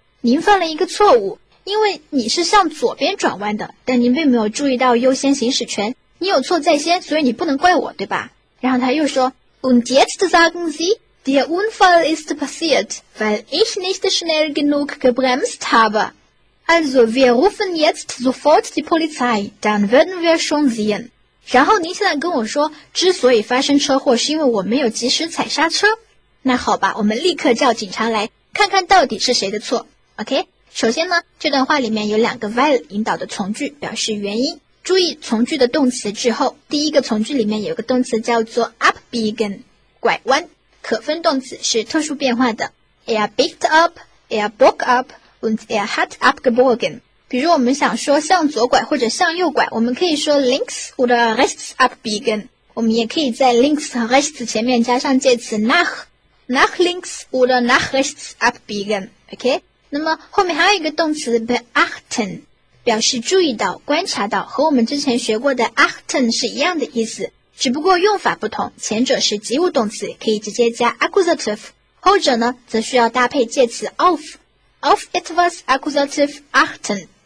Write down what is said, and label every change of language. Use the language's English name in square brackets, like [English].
[Chinese] 您犯了一个错误，因为你是向左边转弯的，但您并没有注意到优先行驶权。你有错在先，所以你不能怪我，对吧？然后他又说 [German] Und jetzt sagen Sie, der Unfall ist passiert, weil ich nicht schnell genug gebremst habe. Also wir rufen jetzt sofort die Polizei, dann werden wir schon sehen. [Chinese] 然后您现在跟我说之所以发生车祸是因为我没有及时踩刹车。那好吧，我们立刻叫警察来看看到底是谁的错。OK，首先呢，这段话里面有两个 weil 引导的从句，表示原因。注意从句的动词之后，第一个从句里面有个动词叫做 abbiegen， 拐弯。可分动词是特殊变化的 ， [German] er biegt up， er bog up， und er hat abgebogen。 [Chinese] 比如我们想说向左拐或者向右拐，我们可以说 [German] links oder rechts abbiegen。 [Chinese] 我们也可以在 links 和 rechts 前面加上介词 [German] nach links oder nach rechts abbiegen。 OK。 [Chinese] 那么后面还有一个动词 beachten， 表示注意到、观察到，和我们之前学过的 achten 是一样的意思，只不过用法不同。前者是及物动词，可以直接加 accusative， 后者呢则需要搭配介词 [German] auf etwas accusative achten。